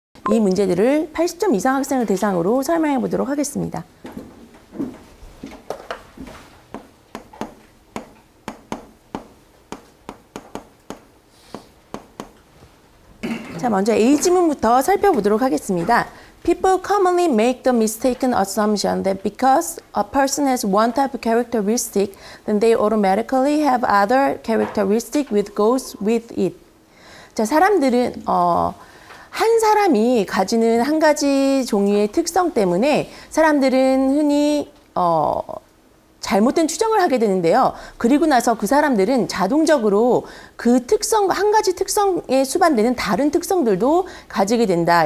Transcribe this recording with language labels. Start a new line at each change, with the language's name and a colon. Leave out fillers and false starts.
Korean: 이 문제들을 80점 이상 학생을 대상으로 설명해 보도록 하겠습니다. 자, 먼저 A 지문부터 살펴보도록 하겠습니다.
English: People commonly make the mistaken assumption that because a person has one type of characteristic, then they automatically have other characteristic which goes with it.
Korean: 자, 사람들은 한 사람이 가지는 한 가지 종류의 특성 때문에 사람들은 흔히 잘못된 추정을 하게 되는데요. 그리고 나서 그 사람들은 자동적으로 그 특성, 한 가지 특성에 수반되는 다른 특성들도 가지게 된다.